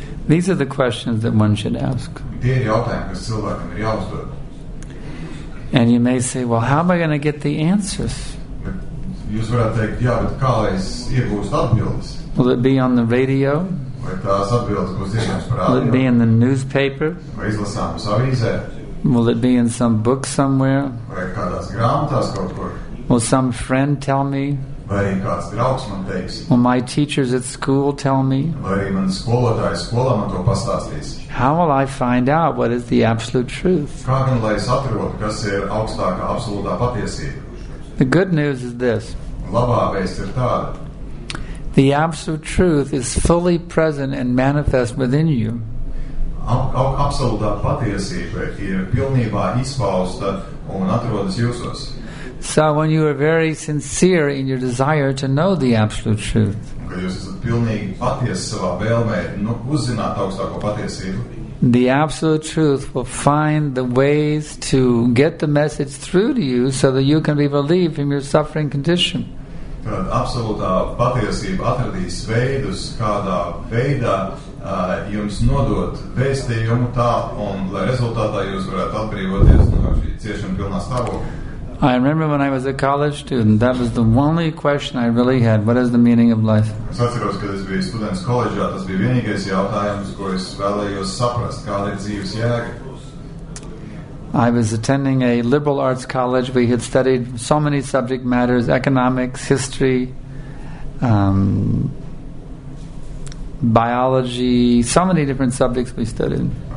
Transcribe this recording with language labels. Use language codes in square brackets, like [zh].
[en] These are the questions that one should ask. [lv] Tie ir jautājumi, kas cilvēkam ir jāuzdod. [en] And you may say, well, how am I going to get the answers? [lv] Jūs varētu teikt, jā, bet kā lai es iegūstu atbildes? [en] Will it be on the radio? [lv] Vai tās atbildes, ko zināms par [en] Will it be in the newspaper? [lv] Vai izlasāmas avīzē? [en] Will it be in some book somewhere? [lv] Vai kādās grāmatās kaut kur? [en] Will some friend tell me? [lv] Vai arī kāds draugs man teiks? [en] Will my teachers at school tell me? [lv] Vai arī mani skolotāji skolā man to pastāstīs? [en] How will I find out what is the absolute truth? [lv] Kā gan lai es atrotu, kas ir augstākā absolūtā patiesība? [en] The good news is this. [lv] Labā vēsts ir tāda. [en] The absolute truth is fully present and manifest within you. [lv] Absolūtā patiesība ir pilnībā izpausta un atrodas jūsos. [en] So when you are very sincere in your desire to know the absolute truth, [lv] kad jūs esat pilnīgi patiesi savā vēlmē, nu, uzzināt augstāko patiesību, [en] the absolute truth will find the ways to get the message through to you so that you can be relieved from your suffering condition. [lv] Tad absolūtā patiesība atradīs veidus, kādā veidā jums nodot vēstījumu tā, un lai rezultātā jūs varētu atbrīvoties no ciešanas pilnā stāvoklī. [en] I remember when I was a college student, that was the only question I really had. What is the meaning of life? [lv] Es atceros, kad es biju students koledžā, tas bija vienīgais jautājums, ko es vēlējos saprast, kāda ir dzīves jēga. [en] I was attending a liberal arts college. We had studied so many subject matters, economics, history, biology, so many different subjects we studied.